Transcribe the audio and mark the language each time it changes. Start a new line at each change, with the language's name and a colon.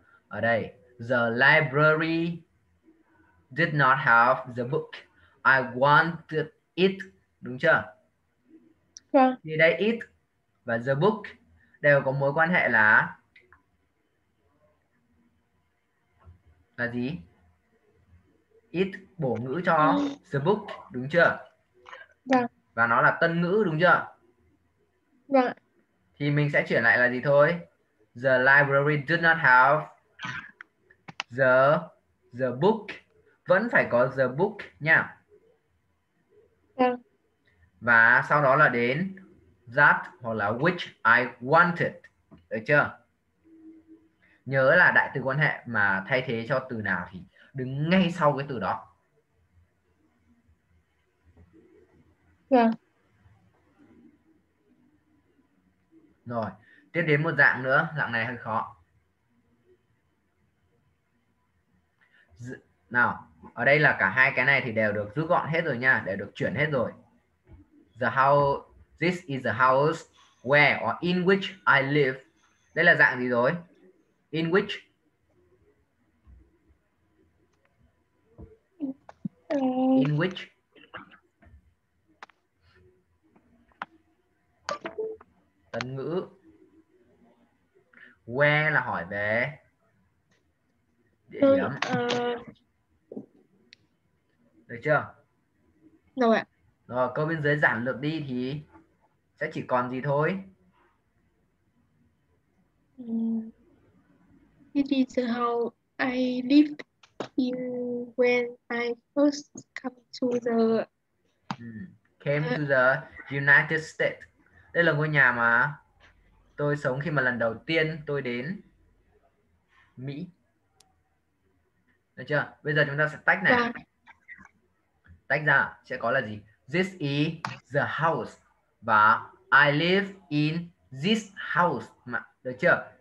Vietnamese: Ở đây,
English: the library did not have the book I wanted it.
Vietnamese: Đúng chưa? Vâng. Thì đây, it và
English: the book
Vietnamese: đều có mối quan hệ là gì? It bổ ngữ cho
English: the book,
Vietnamese: đúng chưa? Vâng. Và nó là tân ngữ, đúng chưa? Vâng. Thì mình sẽ chuyển lại là gì thôi?
English: The library did not have the book.
Vietnamese: Vẫn phải có
English: the book
Vietnamese: nha. Vâng. Và sau đó là đến that hoặc là
English: which I wanted.
Vietnamese: Được chưa? Nhớ là đại từ quan hệ mà thay thế cho từ nào thì đứng ngay sau cái từ đó.
English: Yeah.
Vietnamese: Rồi, tiếp đến một dạng nữa. Dạng này hơi khó. Nào, ở đây là cả hai cái này thì đều được rút gọn hết rồi nha. Đều được chuyển hết rồi.
English: The house, this is the house where or in which I live.
Vietnamese: Đây là dạng gì rồi?
English: In which? In which?
Vietnamese: Tân ngữ. Where là hỏi về địa điểm. Được chưa? Rồi ạ. Rồi, câu bên dưới giản lược đi thì sẽ chỉ còn gì thôi?
English: It is how I live in when I first come to the came to the United States.
Vietnamese: Đây là ngôi nhà mà tôi sống khi mà lần đầu tiên tôi đến Mỹ. Được chưa? Bây giờ chúng ta sẽ tách này. Tách ra sẽ có là gì?
English: This is the house và I live in this house. Được chưa?